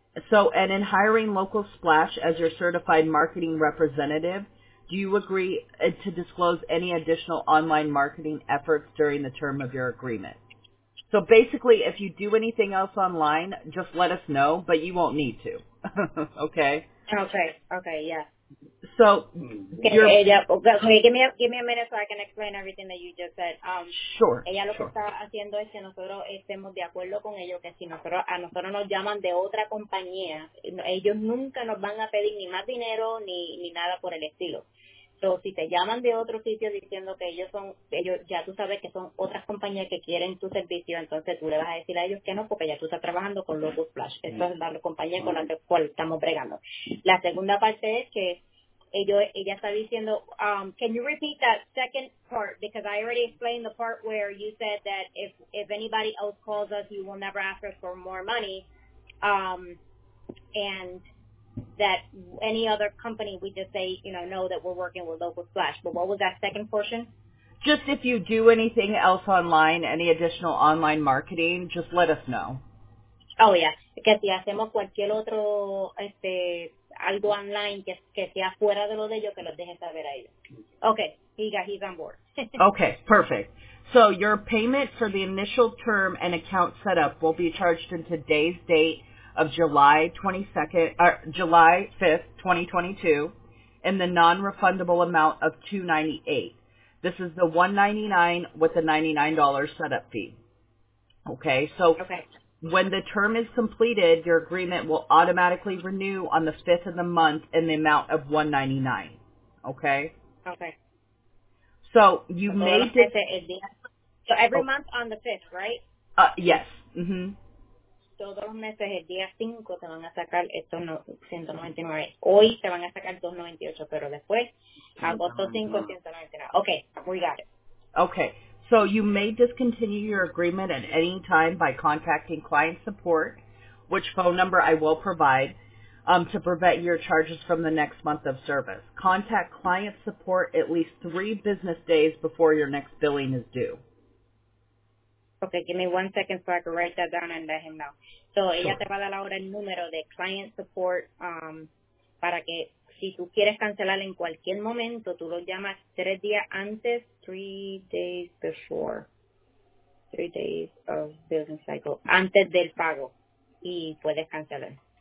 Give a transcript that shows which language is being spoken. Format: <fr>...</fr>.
<en>So, and in hiring local Splash as your certified marketing representative, do you agree to disclose any additional online marketing efforts during the term of your agreement? So basically, if you do anything else online, just let us know, but you won't need to. Okay? Okay. Okay. Yeah. So, okay, give me a minute so I can explain everything that you just said. Sure.</en> <es>Ella lo</es> <en>sure.</en> <es>que está haciendo es que nosotros estemos de acuerdo con ellos, que si a nosotros nos llaman de otra compañía, ellos nunca nos van a pedir ni más dinero ni nada por el estilo. Pero si te llaman de otro sitio diciendo que ellos ya tú sabes que son otras compañías que quieren tu servicio, entonces tú le vas a decir a ellos que no, porque ya tú estás trabajando con Locus Flash. Esa es la compañía con la cual estamos bregando. La segunda parte es que ella está diciendo,</es> <en>can you repeat that second part? Because I already explained the part where you said that if anybody else calls us, you will never ask us for more money. And that any other company, we just say, know that we're working with Local Splash. But what was that second portion? Just if you do anything else online, any additional online marketing, just let us know. Oh, yeah.</en> <es>Que si hacemos cualquier otro, algo online que sea fuera de lo de ellos, que los deje saber a ellos.</es> <en>Okay, he's on board. Okay, perfect. So your payment for the initial term and account setup will be charged in today's date of July 5th, 2022, in the non-refundable amount of $298. This is the $199 with the $99 setup fee. Okay, so when the term is completed, your agreement will automatically renew on the 5th of the month in the amount of $199. Okay? Okay. So you may... So every month on the 5th, right? Yes. Mm-hmm.</en> <es>Todos los meses, el día 5, te van a sacar estos 199. Hoy te van a sacar 298, pero después, agosto 5, 199.</es> <en>Okay, we got it. Okay, so you may discontinue your agreement at any time by contacting client support, which phone number I will provide, to prevent your charges from the next month of service. Contact client support at least 3 business days before your next billing is due. Okay, give me 1 second so I can write that down and let him know. So sure.</en> <es>Ella te va a dar ahora el número de client support para que si tú quieres cancelar en cualquier momento, tú lo llamas 3 días antes,</es> <en>3 days before, 3 days of business cycle,</en> <es>antes del pago, y puedes cancelar.</es>